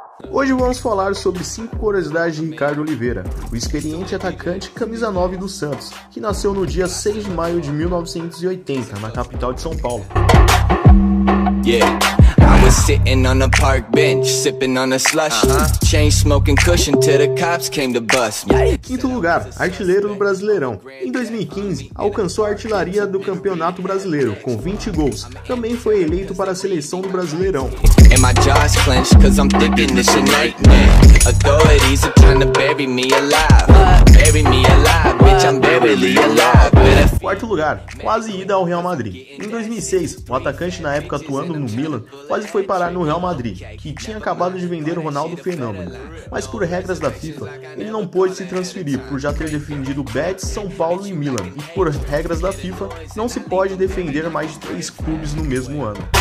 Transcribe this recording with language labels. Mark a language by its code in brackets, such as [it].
[pt] Hoje vamos falar sobre 5 curiosidades de Ricardo Oliveira, o experiente atacante camisa 9 do Santos, que nasceu no dia 6 de maio de 1980, na capital de São Paulo. [en] Yeah, I was sitting on a park bench, sipping on a slush. Chain smoking cushion till the cops came to bust me. [pt] Quinto lugar, artilheiro do Brasileirão. Em 2015, alcançou a artilharia do Campeonato Brasileiro, com 20 gols. Também foi eleito para a seleção do Brasileirão. [en] And my jaw's clenched, cause I'm thinking it's a nightmare. Authorities are trying to bury me alive. Bury me alive, bitch, I'm barely alive. [pt] Quarto lugar, quase ida ao Real Madrid. Em 2006, o atacante, na época atuando no Milan, quase foi parar no Real Madrid, que tinha acabado de vender o Ronaldo Fenômeno. Mas por regras da FIFA, ele não pôde se transferir por já ter defendido Betis, São Paulo e Milan. E por regras da FIFA, não se pode defender mais de 3 clubes no mesmo ano.